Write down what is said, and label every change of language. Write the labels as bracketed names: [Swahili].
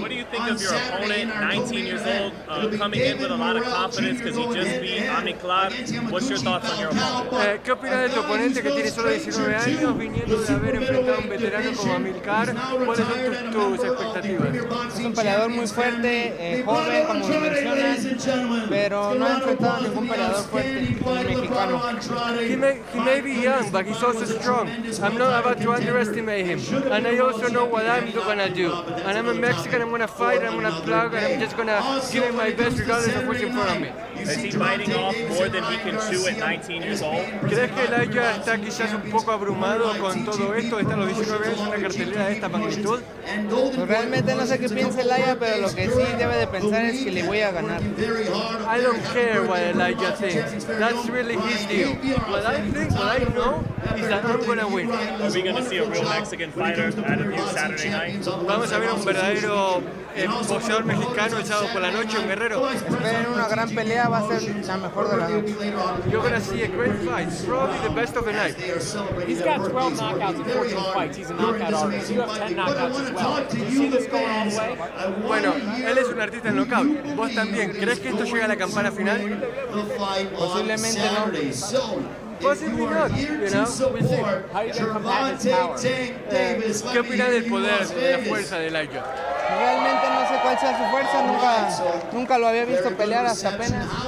[English] What do you think of your opponent, 19 years old, coming in with a lot of confidence because he just beat Amiklov? What's your thoughts on your opponent? [Spanish] ¿Qué opinas de tu oponente que tiene solo 19 años, viniendo de haber enfrentado a un veterano como Amilcar? ¿Cuáles son tus expectativas? Es un peleador muy fuerte, joven, como lo mencionas, pero no ha enfrentado a ningún peleador fuerte, un mexicano. [English] He may be young, but he's also strong. I'm not about to underestimate him. And I also know what I'm going to do. And I'm a Mexican, I'm going to fight, I'm going to plug, and I'm just going to give him my best regardless of what's in front of me. Is he biting off more than he can chew at 19 years old? [Spanish] ¿Crees que el Aya está quizás un poco abrumado con todo esto? Está a los 19 años en una cartelera de esta magnitud. Pues realmente no sé qué piensa el Aya, pero lo que sí debe de pensar es que le voy a ganar. [English] I don't care what el Aya thinks. That's really his deal. What I think, what I know, is that I'm going to win. Are we going to see a real Mexican fighter at a new Saturday night? [Spanish] Vamos a ver un verdadero boxeador mexicano echado por la noche, un guerrero. Esperen una gran pelea, va a ser la mejor de la noche. [English] You're going to see a great fight, probably the best of the night. He's got 12 knockouts in 14 fights, he's a knockout artist. You have 10 knockouts as well. Do you see this going all the way? [Spanish] Bueno, él es un artista en knockout. ¿Vos también crees que esto llega a la campana final? Posiblemente no. [English] Possibly not, you know, we see. How are you going to combat his power? [Spanish] ¿Qué opinas del poder, de la fuerza de Laya? Realmente no sé cuál sea su fuerza, nunca lo había visto pelear hasta apenas.